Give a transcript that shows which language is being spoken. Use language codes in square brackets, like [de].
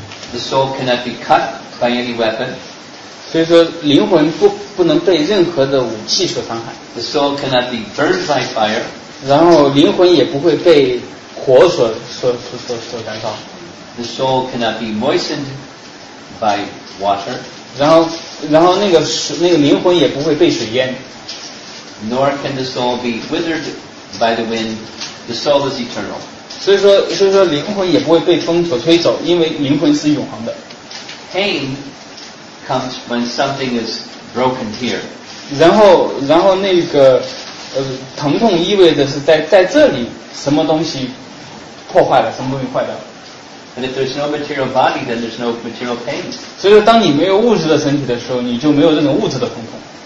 [en] The soul cannot be cut by any weapon. [zh] 所以说灵魂不能被任何的武器所伤害。 [en] The soul cannot be burned by fire. [zh] 然后灵魂也不会被火所燃烧。 [en] The soul cannot be moistened by water. [zh] 然后那个灵魂也不会被水淹。 [en] Nor can the soul be withered by the wind. The soul is eternal. [zh] 所以说灵魂也不会被风所吹走，因为灵魂是永恒的。 [en] Pain. Comes when something is broken here. [zh] 然后那个疼痛意味着是在这里什么东西破坏了，什么东西坏掉了。 [en] And if there's no material body, then there's no material pain. [zh] 所以说，当你没有物质的身体的时候，你就没有这种物质的疼痛。